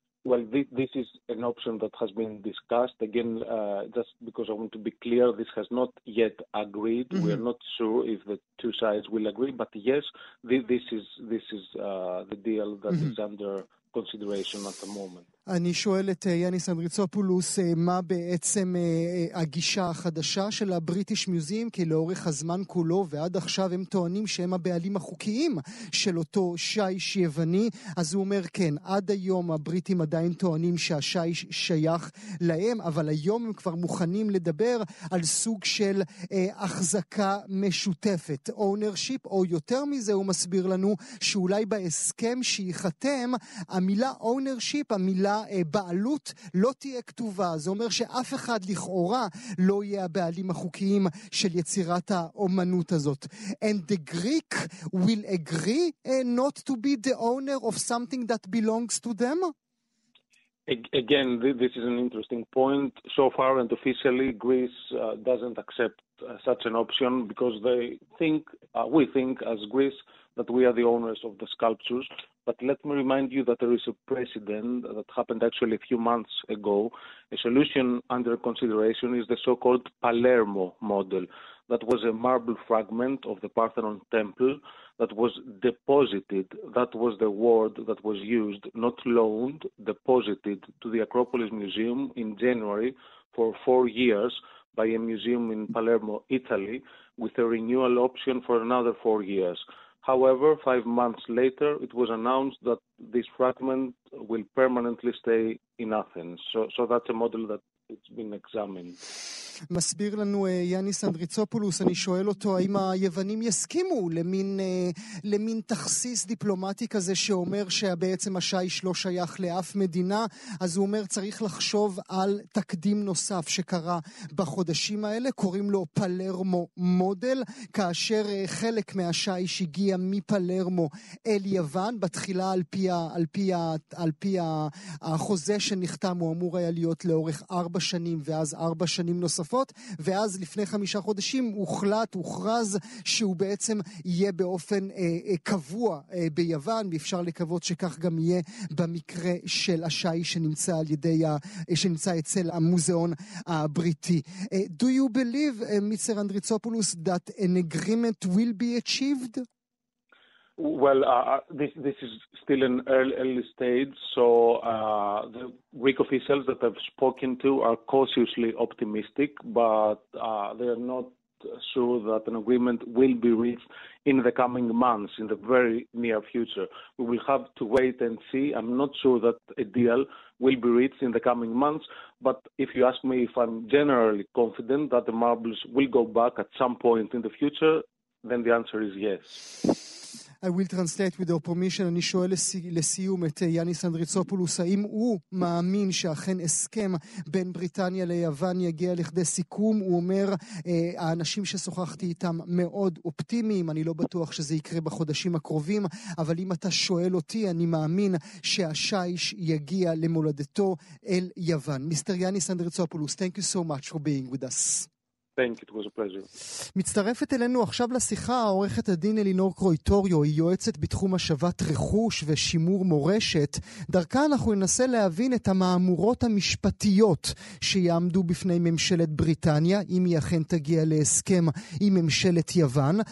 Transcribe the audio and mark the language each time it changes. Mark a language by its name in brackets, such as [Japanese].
[English] Well, this is an option that has been discussed. Again, just because I want to be clear, this has not yet agreed. Mm-hmm. We are not sure if the two sides will agree, but yes, this is the deal that mm-hmm. is under consideration at the moment. [Hebrew] אני שואל את יאניס אנדריצופולוס מה בעצם הגישה החדשה של הבריטיש מיוזיאום, כי לאורך הזמן כולו ועד עכשיו הם טוענים שהם הבעלים החוקיים של אותו שייש יווני. אז הוא אומר, כן, עד היום הבריטים עדיין טוענים שהשייש שייך להם, אבל היום הם כבר מוכנים לדבר על סוג של החזקה משותפת, ownership, או יותר מזה, הוא מסביר לנו שאולי בהסכם שיחתם המילה ownership, בעלות, לא תהיה כתובה. זה אומר שאף אחד לכאורה לא יהיה הבעלים החוקיים של יצירת האומנות הזאת. [English] And the Greek will agree not to be the owner of something that belongs to them? Again, this is an interesting point. So far and officially, Greece doesn't accept such an option because we think as Greece that we are the owners of the sculptures. But let me remind you that there is a precedent that happened actually a few months ago. A solution under consideration is the so-called Palermo model. That was a marble fragment of the Parthenon temple that was deposited. That was the word that was used, not loaned, deposited to the Acropolis Museum in January for 4 years by a museum in Palermo, Italy, with a renewal option for another 4 years. However, 5 months later, it was announced that this fragment will permanently stay in Athens. So that's a model that it's been examined. [Hebrew] מסביר לנו יאניס אנדריצופולוס, אני שואל אותו, האם היוונים יסכימו למין תכסיס דיפלומטי כזה שאומר שבעצם השייש לא שייך לאף מדינה? אז הוא אומר, צריך לחשוב על תקדים נוסף שקרה בחודשים האלה, קוראים לו פלרמו מודל, כאשר חלק מהשייש הגיע מפלרמו אל יוון, בתחילה על פי החוזה שנחתם, הוא אמור היה להיות לאורך 4 שנים, ואז 4 שנים נוספים, ואז לפני 5 חודשים הוכרז שהוא בעצם יהיה באופן קבוע ביוון, ואפשר לקוות שכך גם יהיה במקרה של השי שנמצא על ידי שנמצא אצל המוזיאון הבריטי. [English] Do you believe, Mr. Andritsopoulos, that an agreement will be achieved? Well, this is still an early stage, so the Greek officials that I've spoken to are cautiously optimistic, but they are not sure that an agreement will be reached in the coming months, in the very near future. We will have to wait and see. I'm not sure that a deal will be reached in the coming months, but if you ask me if I'm generally confident that the marbles will go back at some point in the future, then the answer is yes. I will translate with your permission. [Hebrew] אני שואל לסיום את יאניס אנדריצופולוס, האם הוא מאמין שאכן הסכם בין בריטניה ליוון יגיע לכדי סיכום? הוא אומר, האנשים ששוחחתי איתם מאוד אופטימיים, אני לא בטוח שזה יקרה בחודשים הקרובים, אבל אם אתה שואל אותי, אני מאמין שהשייש יגיע למולדתו אל יוון. [English] מיסטר יאניס אנדריצופולוס, thank you so much for being with us. Thank you, it was a pleasure. [Hebrew] מצטרפת אלינו עכשיו לשיחה עורכת הדין אלינור קרויטוריו, היא יועצת בתחום השבת רכוש ושימור מורשת. דרכה אנחנו ננסה להבין את המאמורות המשפטיות שיעמדו בפני ממשלת בריטניה, אם היא אכן תגיע להסכם עם ממשלת יוון.